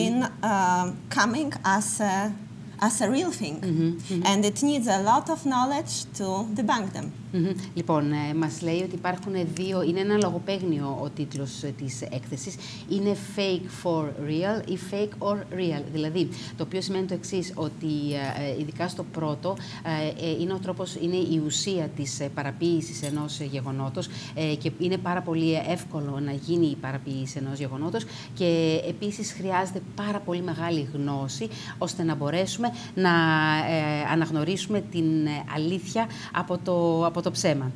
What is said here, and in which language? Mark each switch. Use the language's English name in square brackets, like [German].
[English] in coming as a real thing, mm-hmm. Mm-hmm. And it needs a lot of knowledge to debunk them. Mm-hmm. [Greek] Λοιπόν, μας λέει ότι υπάρχουν δύο, είναι ένα λογοπαίγνιο ο τίτλος της έκθεσης. Είναι fake for real ή fake or real. Δηλαδή, το οποίο σημαίνει το εξής, ότι ειδικά στο πρώτο είναι ο τρόπος, είναι η ουσία της παραποίησης ενός γεγονότος και είναι πάρα πολύ εύκολο να γίνει η παραποίηση ενός γεγονότος και επίσης χρειάζεται πάρα πολύ μεγάλη γνώση ώστε να μπορέσουμε να αναγνωρίσουμε την αλήθεια από το ψέμα.